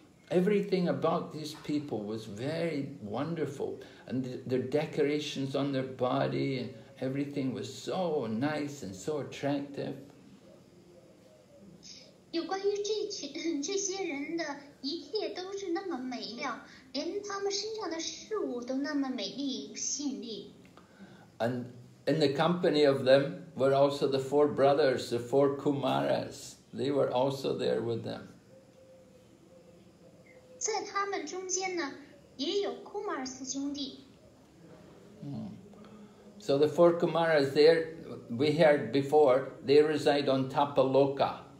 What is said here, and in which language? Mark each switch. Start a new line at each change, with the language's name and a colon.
English: Everything about these people was very wonderful, and their decorations on their body and everything was so nice and so attractive.
Chinese: 有关于这群这些人的一切都是那么美妙，连他们身上的事物都那么美丽吸引力。
English: And in the company of them were also the four brothers, the four Kumaras. They were also there with them.
Chinese: 在他们中间呢，也有 Kumaras 兄弟。
English: So the four Kumaras there, we heard before, they reside on Tapaloka.